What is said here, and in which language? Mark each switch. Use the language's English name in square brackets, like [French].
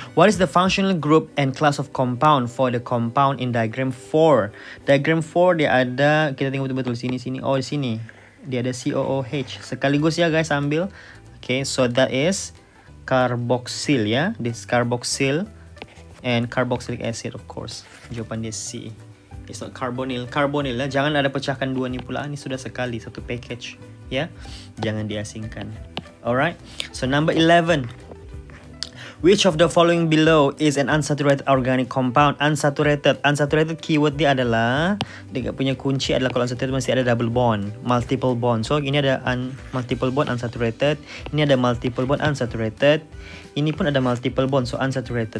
[English] What is the functional group and class of compound for the compound in diagram 4? [Malay] Diagram 4 dia ada, kita tengok betul-betul sini. Oh, di sini. Dia ada COOH. Sekaligus ya guys, ambil. [English] Okay, so that is carboxyl, yeah, this carboxyl and carboxylic acid, of course. [Malay] Jawapan dia C. [English] It's not carbonyl. Carbonyl, yeah? [Malay] Jangan ada pecahkan dua ni pula. Ini sudah sekali, satu package, yeah. Jangan diasingkan. [English] Alright, so number 11. Which of the following below is an unsaturated organic compound? [Malay] Unsaturated. Unsaturated keyword dia adalah, dia punya kunci adalah kalau unsaturated mesti ada double bond, multiple bond. So ini ada multiple bond unsaturated, ini ada multiple bond unsaturated, ini pun ada multiple bond, so unsaturated.